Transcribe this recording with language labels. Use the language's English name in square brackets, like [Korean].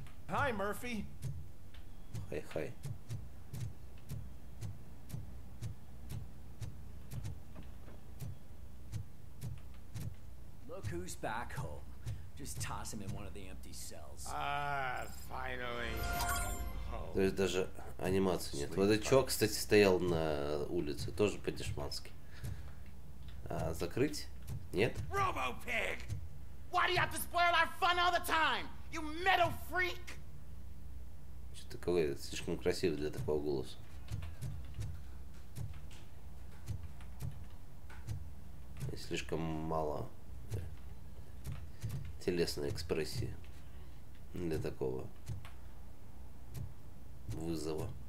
[English] Hi, Murphy. [Russian] Хай-хай. [English] Look who's back home. Just toss him in one of the empty cells. Finally. [Russian] То есть даже анимации нет. Вот этот чувак, кстати, стоял на улице, тоже по-дешмански. Закрыть? Нет? [English] Robo-pig! Why do you have to spoil our fun all the time? You metal freak! [Russian] Что-то какой-то слишком красивый для такого голоса. И слишком мало телесной экспрессии для такого вызова.